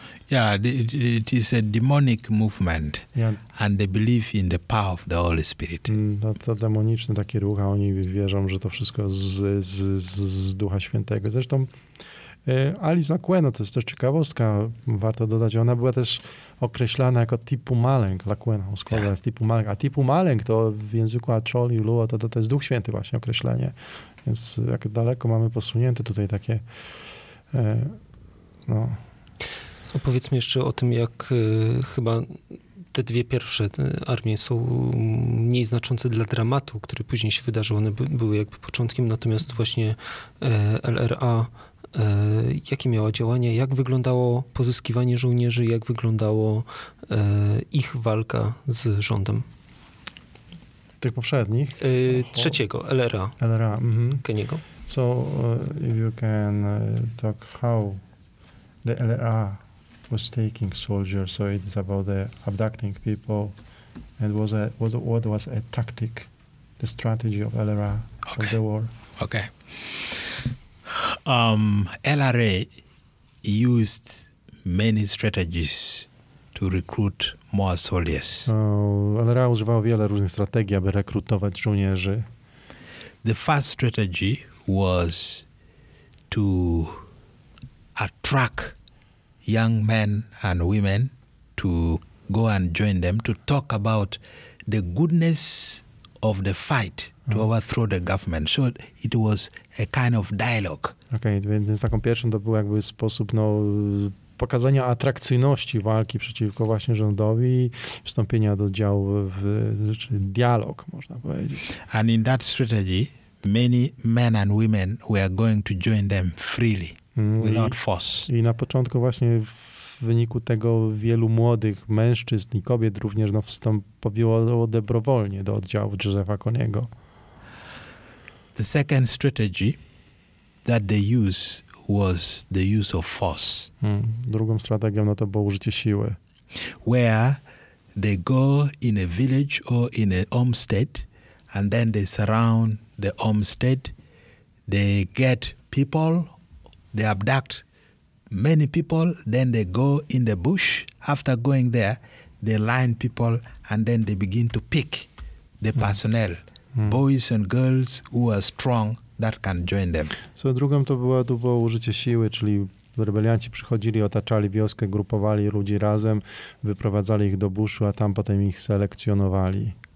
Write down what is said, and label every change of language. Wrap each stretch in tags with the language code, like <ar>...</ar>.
<en>Yeah, it is a demonic movement, yeah. And they believe in the power of the Holy Spirit.</en> <pl>To demoniczne takie ruchy, oni wierzą, że to wszystko z Ducha Świętego. Zresztą Alice Lacuena, to jest też ciekawostka, warto dodać, ona była też określana jako Tipu Maleng, Lacuena, składa z Tipu Maleng, a Tipu Maleng to w języku Acholi, Luo, to jest Duch Święty właśnie określenie, więc jak daleko mamy posunięte tutaj takie, no. Opowiedzmy jeszcze o tym, jak chyba te dwie pierwsze armie są mniej znaczące dla dramatu, który później się wydarzył, one były jakby początkiem, natomiast właśnie LRA, jakie miała działania, jak wyglądało pozyskiwanie żołnierzy, jak wyglądało ich walka z rządem? Tych poprzednich? Trzeciego, LRA. LRA, mhm. Keniego.</pl> <en>So, if you can talk how the LRA was taking soldiers, so it's about the abducting people, and what was a tactic, the strategy of LRA of the war. Okay. LRA used many strategies to recruit more soldiers.</en> <pl>LRA używał wiele różnych strategii, aby rekrutować żołnierzy.</pl> <en>The first strategy was to attract young men and women to go and join them to talk about the goodness of the fight to overthrow the government. So it was a kind of dialogue.</en> <pl>Okay, więc taką pierwszą to był jakby sposób pokazania atrakcyjności walki przeciwko właśnie rządowi, wstąpienia do działu w rzeczy dialog, można powiedzieć.</pl> <en>And in that strategy, many men and women were going to join them freely. Without force.</en> <pl>I na początku właśnie w wyniku tego wielu młodych mężczyzn i kobiet również wstąpiło dobrowolnie do oddziału Josepha Koniego.</pl> <en>The second strategy that they used was the use of force.</en> <pl>Drugą strategią to było użycie siły.</pl> <en>Where they go in a village or in a homestead and then they surround the homestead, they get people. They abduct many people, then they go in the bush. After going there, they line people and then they begin to pick the personnel, boys and girls who are strong that can join them.</en> <pl>So drugą to było użycie siły, czyli rebelianci przychodzili, otaczali wioskę, grupowali ludzi razem, wyprowadzali ich do buszu, a tam potem ich selekcjonowali.</pl>